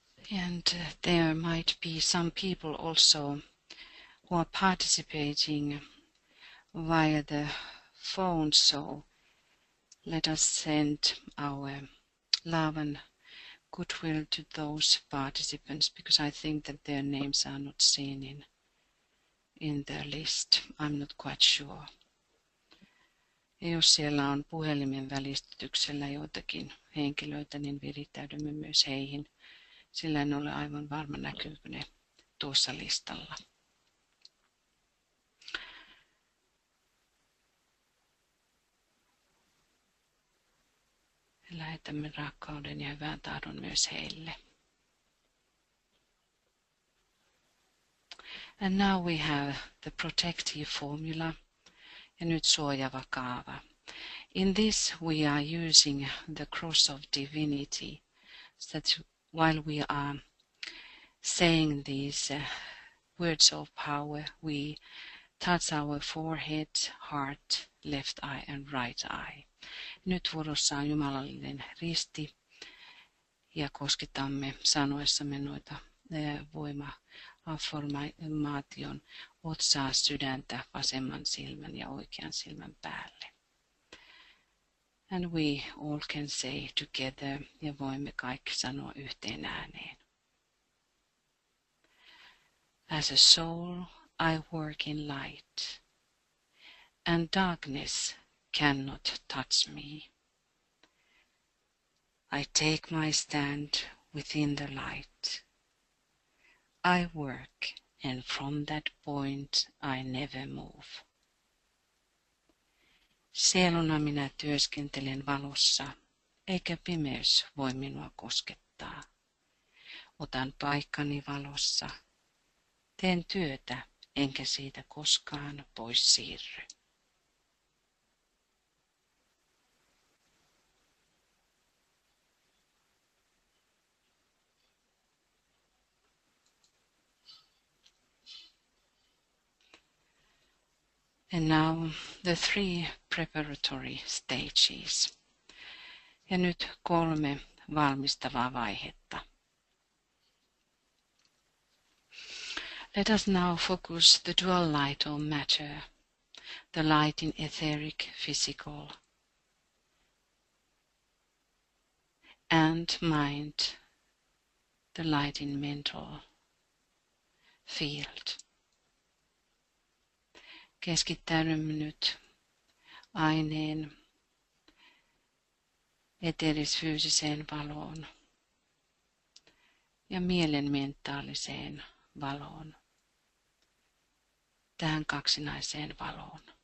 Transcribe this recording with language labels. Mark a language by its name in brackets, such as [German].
[English] And there might be some people also who are participating via the phone, so let us send our love and goodwill to those participants, because I think that their names are not seen in the list. I'm not quite sure. [Finnish] Jos siellä on puhelimen välityksellä joitakin henkilöitä, niin virittäydymme myös heihin. Sillä en ole aivan varma näkyykö ne tuossa listalla. Lähetämme rakkauden ja hyvän tahdon myös heille. [English] And now we have the protective formula [Finnish] ja nyt suojava kaava. [English] In this we are using the cross of divinity that while we are saying these words of power, we touch our forehead, heart, left eye and right eye. [Finnish] Nyt vuorossa on jumalallinen risti ja kosketamme sanoessamme noita voima-affirmaation otsaa, sydäntä, vasemman silmän ja oikean silmän päälle. [English] And we all can say together, [Finnish] ja voimme kaikki sanoa yhteen ääneen. [English] As a soul, I work in light. and darkness cannot touch me. I take my stand within the light. I work, and from that point I never move. [Finnish] Sieluna minä työskentelen valossa, eikä pimeys voi minua koskettaa. Otan paikkani valossa, teen työtä, enkä siitä koskaan pois siirry. [English] And now the three preparatory stages. [Finnish] Ja nyt kolme valmistavaa vaihetta. [English] Let us now focus the dual light on matter, the light in etheric physical, and mind, the light in mental field. [Finnish] Keskittäydymme nyt aineen eteerisfyysiseen valoon ja mielen mentaaliseen valoon, tähän kaksinaiseen valoon.